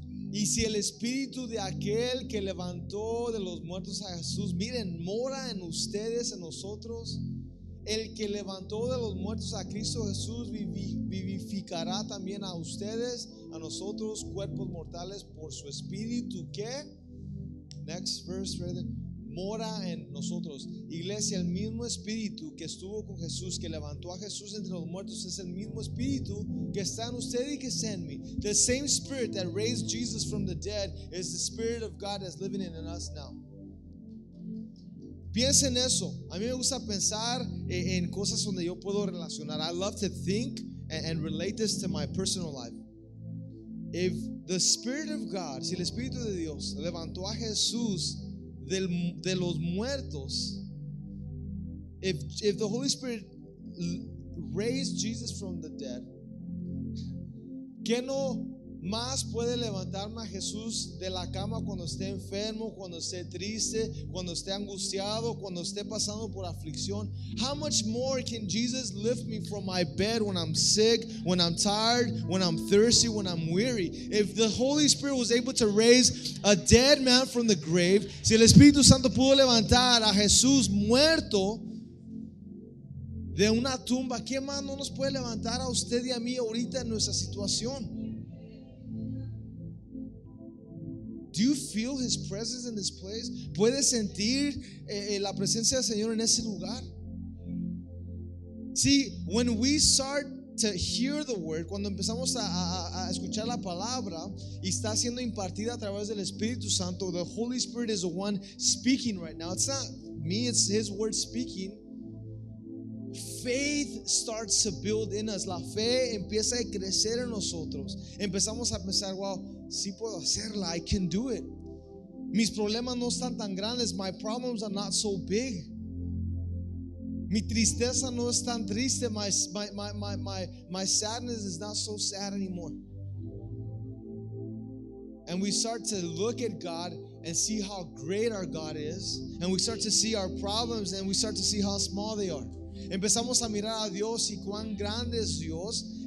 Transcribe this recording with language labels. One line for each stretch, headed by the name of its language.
Spanish: Y si el Espíritu de aquel que levantó de los muertos a Jesús, miren, mora en ustedes, en nosotros, el que levantó de los muertos a Cristo Jesús vivificará también a ustedes, a nosotros, cuerpos mortales, por su Espíritu que,
English: next verse, brother,
Spanish: mora en nosotros. Iglesia, el mismo Espíritu que estuvo con Jesús, que levantó a Jesús entre los muertos, es el mismo Espíritu que está en usted y que está en mí.
English: The same Spirit that raised Jesus from the dead is the Spirit of God that's living in us now.
Spanish: Piensa en eso. A mí me gusta pensar en cosas donde yo puedo relacionar.
English: I love to think and relate this to my personal life. If the Spirit of God,
Spanish: si el Espíritu de Dios levantó a Jesús de los muertos,
English: if the Holy Spirit raised Jesus from the dead,
Spanish: ¿qué no más puede levantarme a Jesús de la cama cuando esté enfermo, cuando esté triste, cuando esté angustiado, cuando esté pasando por aflicción?
English: How much more can Jesus lift me from my bed when I'm sick, when I'm tired, when I'm thirsty, when I'm weary? If the Holy Spirit was able to raise a dead man from the grave,
Spanish: si el Espíritu Santo pudo levantar a Jesús muerto de una tumba, ¿qué más no nos puede levantar a usted y a mí ahorita en nuestra situación?
English: Do you feel His presence in this place?
Spanish: ¿Puedes sentir la presencia del Señor en ese lugar?
English: See, when we start to hear the word,
Spanish: cuando empezamos a escuchar la palabra y está siendo impartida a través del Espíritu Santo,
English: the Holy Spirit is the one speaking right now. It's not me, it's His word speaking. Faith starts to build in us.
Spanish: La fe empieza a crecer en nosotros. Empezamos a pensar, wow, sí puedo hacerla.
English: I can do it.
Spanish: Mis problemas no están tan grandes.
English: My problems are not so big.
Spanish: Mi tristeza no es tan triste.
English: My sadness is not so sad anymore. And we start to look at God and see how great our God is. And we start to see our problems and we start to see how small they are.
Spanish: Empezamos a mirar a Dios y cuán grande es Dios.